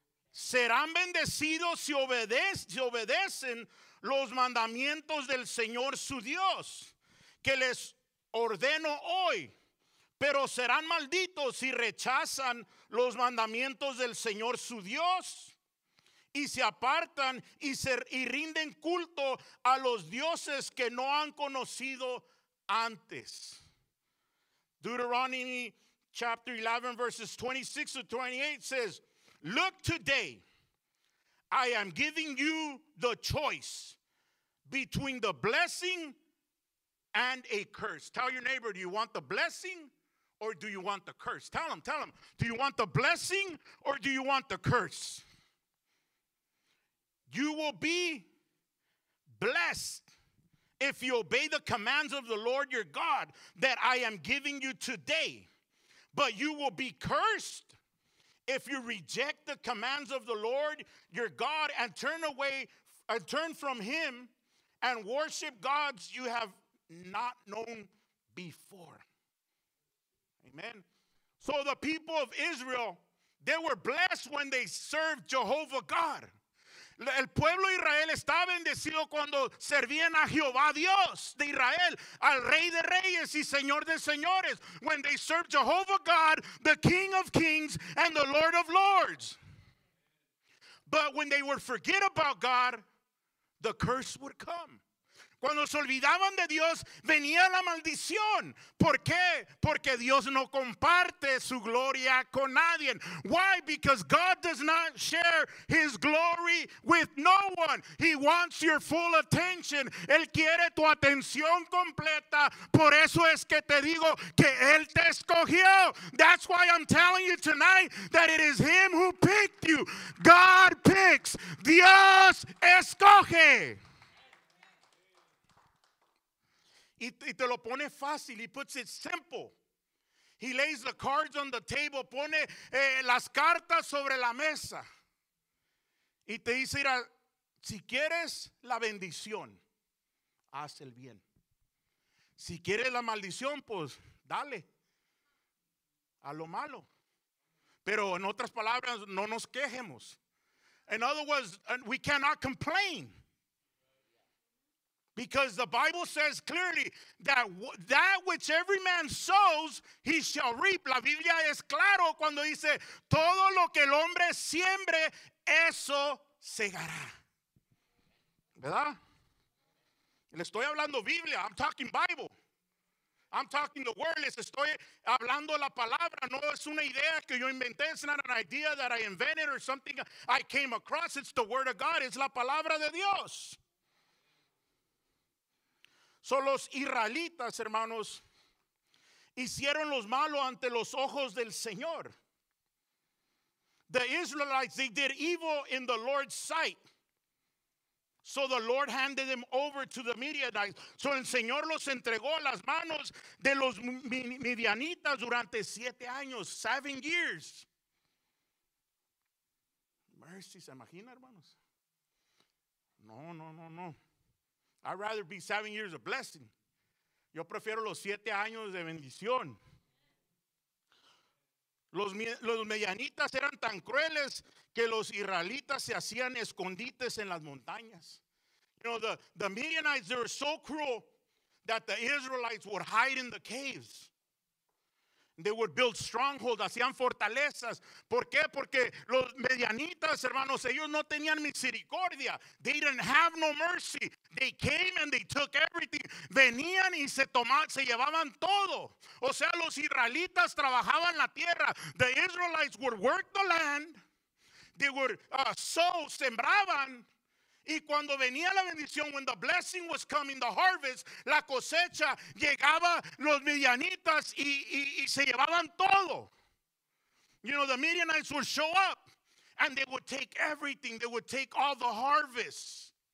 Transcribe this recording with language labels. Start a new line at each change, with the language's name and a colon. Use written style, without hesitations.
Spanish: Serán bendecidos si obedecen los mandamientos del Señor su Dios, que les ordeno hoy, pero serán malditos si rechazan los mandamientos del Señor su Dios y se apartan y rinden culto a los dioses que no han conocido antes.
English: Deuteronomy chapter 11 verses 26-28 says, look, today I am giving you the choice between the blessing and a curse. Tell your neighbor, do you want the blessing or do you want the curse? Tell him, do you want the blessing or do you want the curse? You will be blessed if you obey the commands of the Lord your God that I am giving you today. But you will be cursed if you reject the commands of the Lord your God and turn from him and worship gods you have not known before. Amen. So the people of Israel, they were blessed when they served Jehovah God.
Spanish: El pueblo de Israel estaba bendecido cuando servían a Jehová Dios de Israel, al Rey de Reyes y Señor de Señores.
English: When they served Jehovah God, the King of Kings and the Lord of Lords. But when they would forget about God, the curse would come.
Spanish: Cuando se olvidaban de Dios, venía la maldición. ¿Por qué? Porque Dios no comparte su gloria con nadie.
English: Why? Because God does not share his glory with no one. He wants your full attention.
Spanish: Él quiere tu atención completa. Por eso es que te digo que Él te escogió.
English: That's why I'm telling you tonight that it is him who picked you. God picks.
Spanish: Dios escoge. Y te lo pone fácil.
English: He puts it simple. He lays the cards on the table.
Spanish: Pone las cartas sobre la mesa. Y te dice, mira, si quieres la bendición, haz el bien. Si quieres la maldición, pues dale a lo malo. Pero en otras palabras, no nos quejemos.
English: In other words, we cannot complain. Because the Bible says clearly that which every man sows, he shall reap.
Spanish: La Biblia es claro cuando dice, todo lo que el hombre siembre, eso segará. ¿Verdad? Le estoy hablando Biblia.
English: I'm talking Bible. I'm talking the word.
Spanish: Les estoy hablando la palabra. No es una idea que yo inventé.
English: It's not an idea that I invented or something I came across. It's the word of God.
Spanish: Es la palabra de Dios. So los israelitas, hermanos, hicieron lo malo ante los ojos del Señor.
English: The Israelites, they did evil in the Lord's sight. So the Lord handed them over to the Midianites.
Spanish: So el Señor los entregó a las manos de los Midianitas durante 7 años.
English: 7 years.
Spanish: Mercy, ¿se imagina, hermanos? No.
English: I'd rather be 7 years of blessing.
Spanish: Yo prefiero los 7 años de bendición. Los medianitas eran tan crueles que los israelitas se hacían escondites en las montañas.
English: You know, the Midianites, they were so cruel that the Israelites would hide in the caves. They would build strongholds,
Spanish: hacían fortalezas. ¿Por qué? Porque los medianitas, hermanos, ellos no tenían misericordia.
English: They didn't have no mercy. They came and they took everything.
Spanish: Venían y se llevaban todo. O sea, los israelitas trabajaban la tierra.
English: The Israelites would work the land. They would sow, sembraban.
Spanish: Y cuando venía la bendición,
English: when the blessing was coming, the harvest,
Spanish: la cosecha, llegaba los midianitas y se llevaban todo.
English: You know, the Midianites would show up and they would take everything. They would take all the harvest.